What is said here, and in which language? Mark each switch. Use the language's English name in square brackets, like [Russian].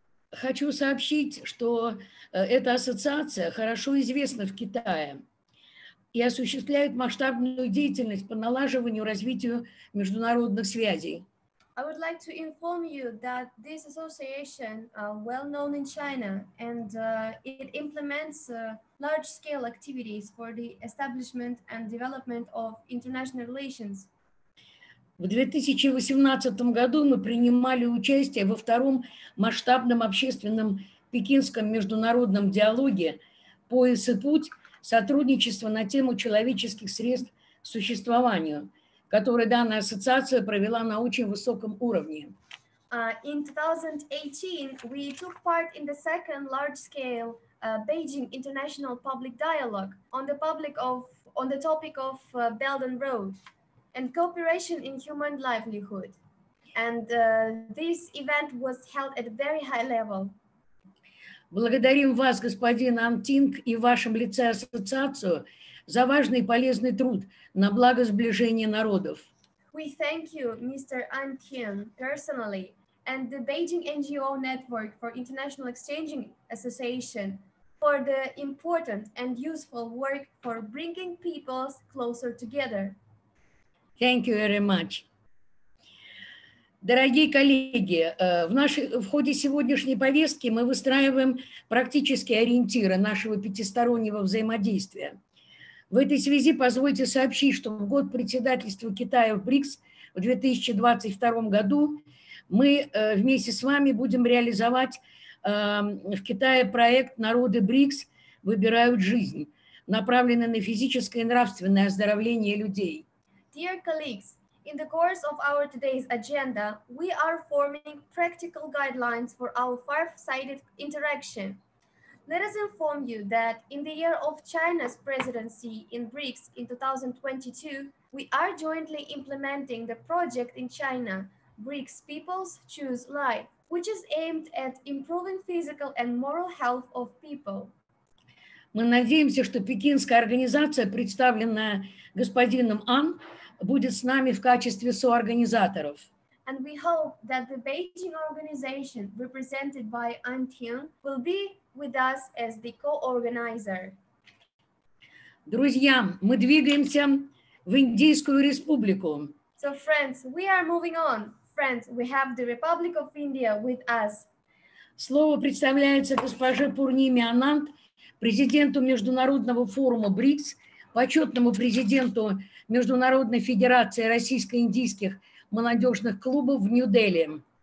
[Russian] Хочу сообщить, что эта ассоциация хорошо известна в Китае и осуществляет масштабную деятельность по налаживанию развитию международных связей. [English] I would like to inform you that this association well known in China and it implements large scale activities for the establishment and development of international relations. [Russian] В 2018 году мы принимали участие во втором масштабном общественном пекинском международном диалоге «Пояс и путь. Сотрудничество на тему человеческих средств к существованию», которую данная ассоциация провела на очень высоком уровне. [English] In 2018, we took part in the second large-scale Beijing International Public Dialogue on the topic of Belt and Road and cooperation in human livelihood. And this event was held at a very high level. [Russian] Благодарим вас, господин Ан Тинг, и в вашем лице ассоциацию за важный и полезный труд на благо сближения народов. [English] We thank you, Mr. Ан Тинг, personally, and the Beijing NGO Network for International Exchanging Association for the important and useful work for bringing people closer together. Thank you very much. [Russian] Дорогие коллеги, в ходе сегодняшней повестки мы выстраиваем практические ориентиры нашего пятистороннего взаимодействия. В этой связи позвольте сообщить, что в год председательства Китая в БРИКС в 2022 году мы вместе с вами будем реализовать в Китае проект «Народы БРИКС выбирают жизнь», направленный на физическое и нравственное оздоровление людей. [English] Dear colleagues, in the course of our today's agenda, we are forming practical guidelines for our five-sided interaction. Let us inform you that in the year of China's presidency in BRICS in 2022, we are jointly implementing the project in China, BRICS Peoples Choose Life, which is aimed at improving physical and moral health of people. [Russian] Мы надеемся, что пекинская организация, представленная господином Ан, будет с нами в качестве соорганизаторов. [English] And we hope that the Beijing organization, represented by Ан Тинг, will be with us as the co-organizer. [Russian] Друзья, мы двигаемся в Индийскую республику. [English] So friends, we are moving on. Friends, we have the Republic of India with us. [Russian] Слово представляется госпоже Пурниме Ананд, президенту Международного форума БРИКС, почетному президенту Международной федерации российско-индийских молодежных клубов в Нью-Дели.